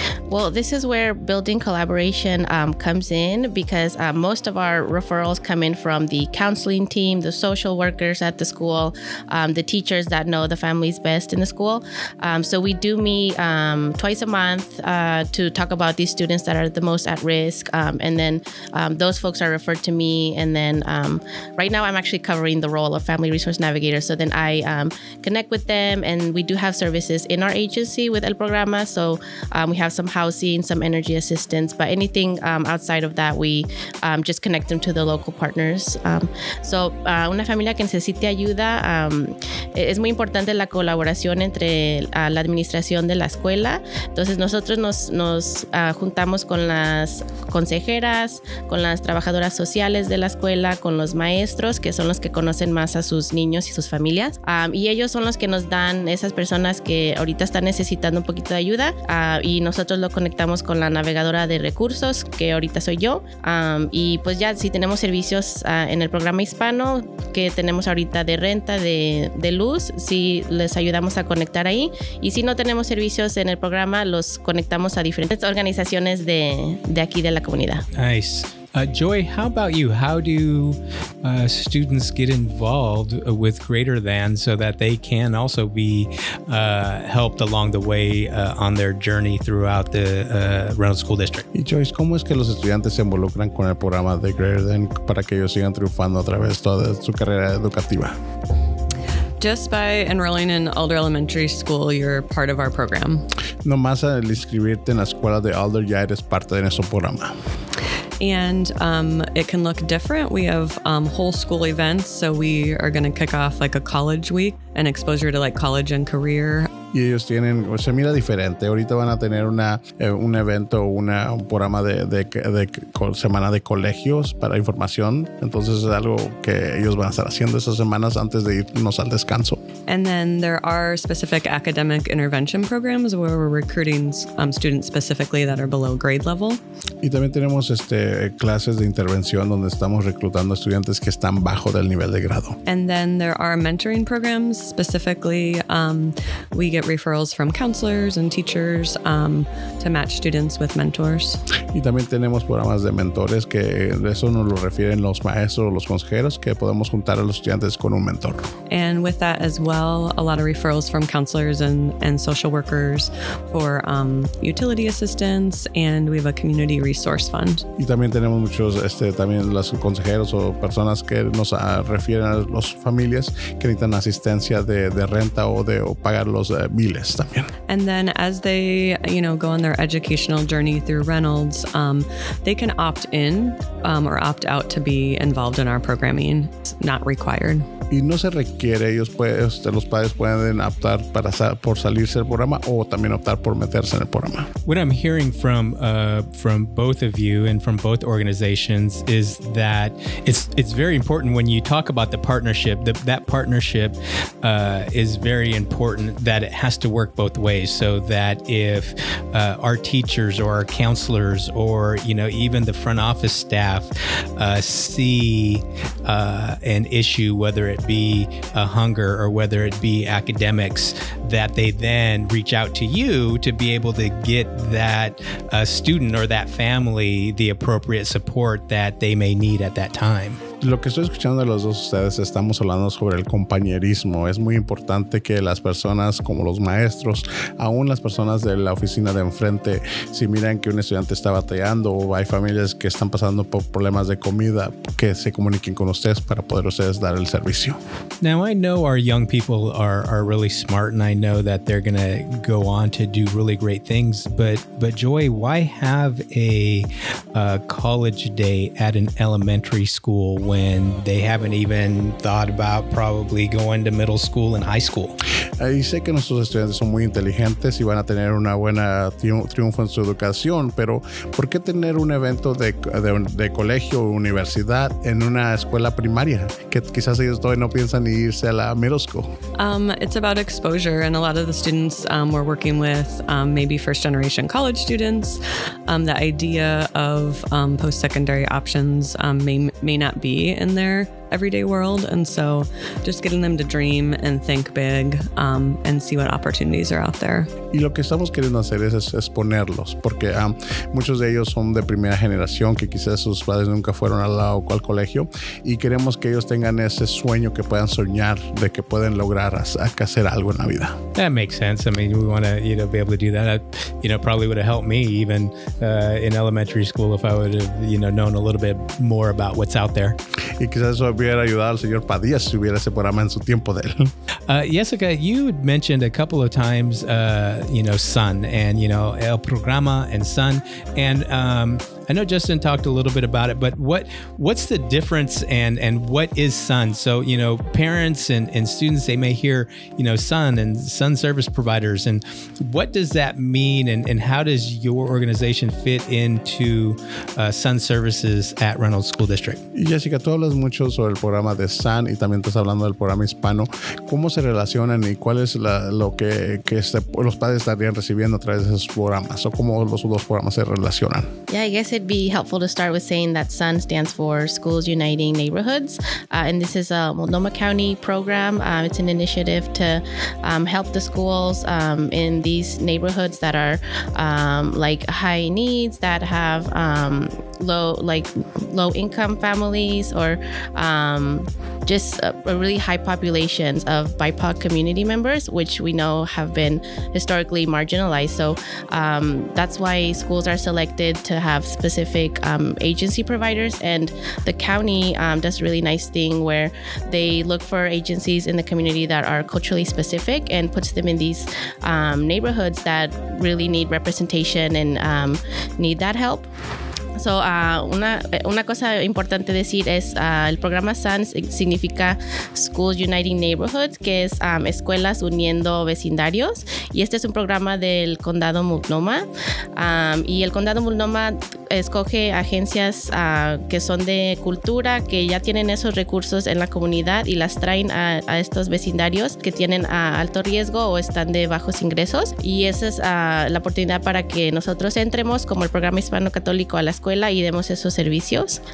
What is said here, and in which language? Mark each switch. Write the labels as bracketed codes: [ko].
[en] Well, this is where building collaboration comes in, because most of our referrals come in from the counseling team, the social workers at the school, the teachers that know the families best in the school. So we do meet twice a month to talk about these students that are the most at risk. And then those folks are referred to me. And then right now I'm actually covering the role of family resource navigator. So then I connect with them, and we do have services in our agency with El Programa. So we have some housing, some energy assistance, but anything outside of that, we just connect them to the local partners. [es] Una familia que necesite ayuda, es muy importante la colaboración entre la administración de la escuela. Entonces nosotros nos juntamos con las consejeras, con las trabajadoras sociales de la escuela, con los maestros, que son los que conocen más a sus niños y sus familias. Y ellos son los que nos dan esas personas que ahorita están necesitando un poquito de ayuda. Y nosotros lo conectamos con la navegadora de recursos, que ahorita soy yo. Y pues ya, si tenemos servicios en el programa hispano, que tenemos ahorita de renta, de luz, si les ayudamos a conectar ahí. Y si no tenemos servicios en el programa, los conectamos a diferentes organizaciones de aquí, de la comunidad. [en] Nice. Joy, how about you? How do students get involved with Greater Than so that they can also be helped along the way on their journey throughout the Reynolds School District? [es] Y Joyce, ¿cómo es que los estudiantes se involucran con el programa de Greater Than para que ellos sigan triunfando a través de toda su carrera educativa? [en] Just by enrolling in Alder Elementary School, you're part of our program. [es] Nomás al inscribirte en la escuela de Alder, ya eres parte de nuestro programa. [en] And it can look different. We have whole school events, so we are going to kick off like a college week and exposure to like college and career. [es] Y ellos tienen, o sea, mira diferente. Ahorita van a tener un evento, un programa de semana de colegios para información. Entonces es algo que ellos van a estar haciendo esas semanas antes de irnos al descanso. [en] And then there are specific academic intervention programs where we're recruiting students specifically that are below grade level. [es] Y también tenemos clases de intervención donde estamos reclutando estudiantes que están bajo del nivel de grado. [en] And then there are mentoring programs specifically. We get referrals from counselors and teachers to match students with mentors. [es] Y también tenemos programas de mentores que eso nos lo refieren los maestros o los consejeros, que podemos juntar a los estudiantes con un mentor. [en] And with that as well, well. A lot of referrals from counselors and social workers for utility assistance, and we have a community resource fund. [es] Y también tenemos muchos, también los consejeros o personas que nos refieren a las familias que necesitan asistencia de renta o pagar los biles también. [en] And then as they, you know, go on their educational journey through Reynolds, they can opt in or opt out to be involved in our programming. It's not required. [es] Y no se requiere, ellos pueden, los padres pueden optar para por salirse del programa o también optar por meterse en el programa. [en] What I'm hearing from both of you and from both organizations is that it's very important when you talk about the partnership, that partnership is very important, that it has to work both ways, so that if our teachers or our counselors or, you know, even the front office staff see an issue, whether it be a hunger or whether it be academics, that they then reach out to you to be able to get that student or that family the appropriate support that they may need at that time. [es] Lo que estoy escuchando de los dos ustedes, estamos hablando sobre el compañerismo. Es muy importante que las personas como los maestros, aún las personas de la oficina de enfrente, si miran que un estudiante está batallando o hay familias que están pasando por problemas de comida, que se comuniquen con ustedes para poder ustedes dar el servicio. [en] Now I know our young people are really smart, and I know that they're going to go on to do really great things, but Joy, why have a college day at an elementary school when they haven't even thought about probably going to middle school and high school? [es] Y sé que nuestros estudiantes son muy inteligentes y van a tener una buena triunfo en su educación, pero ¿por qué tener un evento de colegio o universidad en una escuela primaria? Que quizás ellos todavía no piensan ni irse a la middle school. [en] It's about exposure, and a lot of the students we're working with, maybe first generation college students, the idea of post-secondary options may not be in there everyday world, and so just getting them to dream and think big and see what opportunities are out there. [es] Y lo que estamos queriendo hacer es exponerlos, porque muchos de ellos son de primera generación que quizás sus padres nunca fueron al lado o al colegio, y queremos que ellos tengan ese sueño, que puedan soñar de que pueden lograr hacer algo en la vida. [en] That makes sense. I mean, we want to, you know, be able to do that. You know, probably would have helped me even in elementary school if I would have, you know, known a little bit more about what's out there. [es] Y quizás eso hubiera ayudado al señor Padilla si hubiera ese programa en su tiempo de él. [en] Jessica, you mentioned a couple of times, you know, Sun and, you know, El Programa and Sun. And I know Justin talked a little bit about it, but what's the difference and what is Sun? So, you know, parents and students, they may hear, you know, Sun and Sun service providers. And what does that mean? And how does your organization fit into Sun services at Reynolds School District? [es] Jessica, tú hablas mucho sobre el programa de Sun y también estás hablando del programa hispano. ¿Cómo se relacionan y cuál es lo que los padres estarían recibiendo a través de esos programas? ¿O cómo los dos programas se relacionan? [en] Yeah, I guess it'd be helpful to start with saying that SUN stands for Schools Uniting Neighborhoods, and this is a Multnomah County program. It's an initiative to help the schools in these neighborhoods that are like high needs, that have low income families, or just a really high populations of BIPOC community members, which we know have been historically marginalized. So that's why schools are selected to have specific agency providers. And the county does a really nice thing where they look for agencies in the community that are culturally specific and puts them in these neighborhoods that really need representation and need that help. [es] So, una cosa importante decir es, el programa SUN significa Schools Uniting Neighborhoods, que es escuelas uniendo vecindarios, y este es un programa del condado Multnomah, y el condado Multnomah escoge agencias que son de cultura, que ya tienen esos recursos en la comunidad, y las traen a estos vecindarios que tienen alto riesgo o están de bajos ingresos, y esa es la oportunidad para que nosotros entremos como el programa hispano católico a la escuela y demos esos servicios.